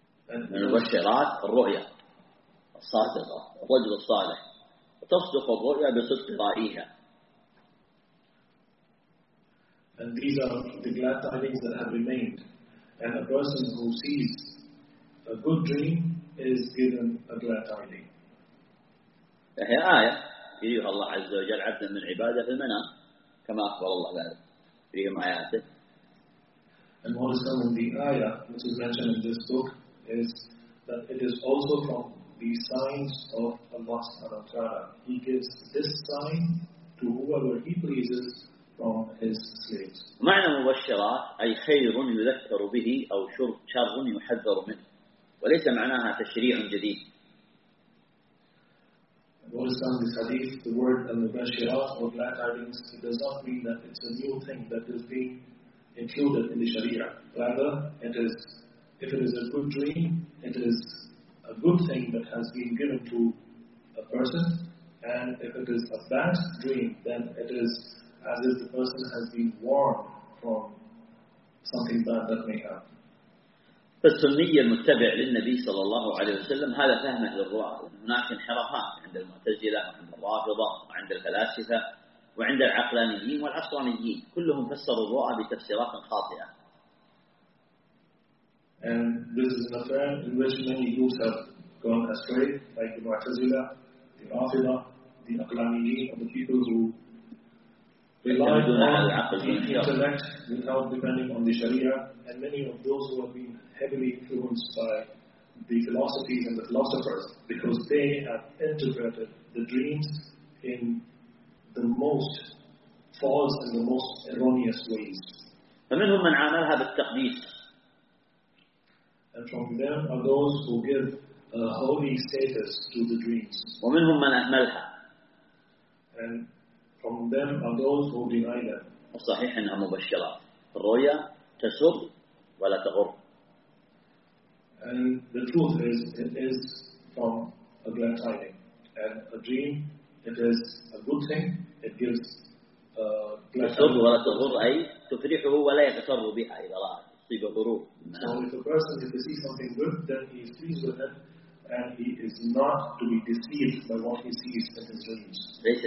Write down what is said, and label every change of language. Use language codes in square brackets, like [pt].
[ar] المبشرات الرؤيا الصادقة، الرجل الصالح تصدق الرؤيا بصدق رأيها. [en] And these are the glad tidings that have remained. And a person who sees a good dream is given a glad tiding. [ar] هي آية يريها الله عز وجل عبدا من عباده في المنام كما أخبر الله ذلك في آياته. [en] And what is from the ayah which is mentioned in this book is that it is also from the signs of Allah subhanahu wa ta'ala. He gives this sign to whoever he pleases from his slaves. [ar] معنى مبشرات أي خير يذكر به أو شر يحذر منه، وليس معناها تشريع جديد. [en] What is from this hadith, the word al-mubashirat or glad tidings, it does not mean that it's a new thing that is being included in the sharia. Rather, it is, if it is a good dream, it is a good thing that has been given to a person, and if it is a bad dream, then it is as if the person has been warned from something bad that may happen. [ar] فالسنية المتبع للنبي صلى الله عليه وسلم هذا فهمه للرؤى، هناك انحرافات عند المعتزلة وعند الرافضة وعند الفلاسفة وعند العقلانيين والعصرانيين، كلهم فسروا الرؤى بتفسيرات خاطئة. [en] And this is an affair in which many groups have gone astray, like the Mu'tazila, the Rafida, the Aqlaniyin, or the people who relied on the intellect without depending on the Sharia, and many of those who have been heavily influenced by the philosophies and the philosophers, because they have interpreted the dreams in the most false and the most erroneous ways. [ar] فمنهم من عاملها بالتقديس. [en] And from them are those who give a holy status to the dreams. [ar] ومنهم من أهملها. [en] And from them are those who deny them. [ar] الصحيح أنها مبشرة. الرؤيا تسر ولا تغر. [en] And the truth is, it is from a glad tiding. And a dream, it is a good thing. It gives a glad tiding. [ar] تسر ولا تغر أي تفرحه ولا يتسر بها إذا رأى. [en] So if a person is to see something good, then he is pleased with it, and he is not to be deceived by what he sees in his dreams.